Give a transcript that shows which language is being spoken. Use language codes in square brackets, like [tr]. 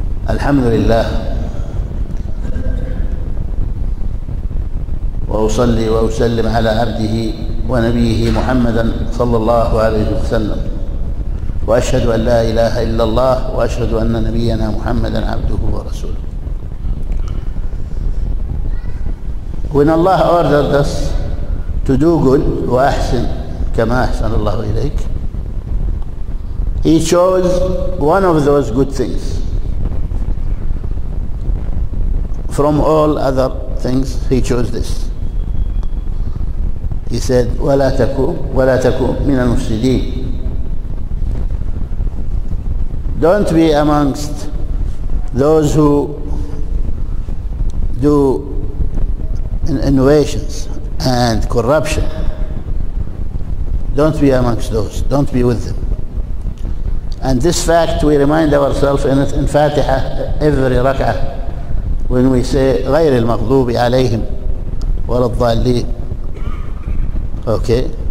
[ar] الحمد لله وأصلي وأسلم على عبده ونبيه محمدا صلى الله عليه وسلم وأشهد أن لا إله إلا الله وأشهد أن نبينا محمدا عبده ورسوله. [en] When Allah ordered us to do good [ar] وأحسن كما أحسن الله إليك, [en] He chose one of those good things from all other things, he chose this. He said, [ar] وَلَا تَكُوْ وَلَا تَكُوْ مِنَ الْمُفْسِدِينَ. [en] Don't be amongst those who do innovations and corruption. Don't be amongst those. Don't be with them. And this fact we remind ourselves in Fatiha every rak'ah when we say [ar] غير المغضوب عليهم ولا الضالين. [en] Okay.